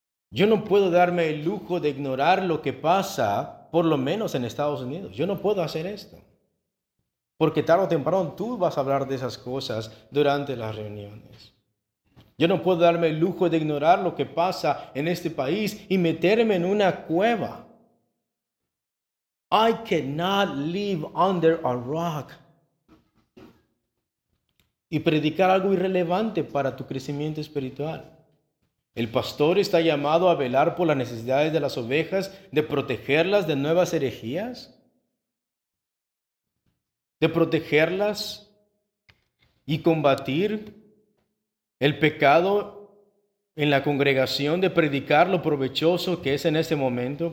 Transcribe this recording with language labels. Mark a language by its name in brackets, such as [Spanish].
[Spanish] Yo no puedo darme el lujo de ignorar lo que pasa, por lo menos en Estados Unidos. Yo no puedo hacer esto. Porque tarde o temprano tú vas a hablar de esas cosas durante las reuniones. Yo no puedo darme el lujo de ignorar lo que pasa en este país y meterme en una cueva. [English] I cannot live under a rock. [Spanish] Y predicar algo irrelevante para tu crecimiento espiritual. El pastor está llamado a velar por las necesidades de las ovejas, de protegerlas de nuevas herejías, de protegerlas y combatir el pecado en la congregación, de predicar lo provechoso que es en este momento.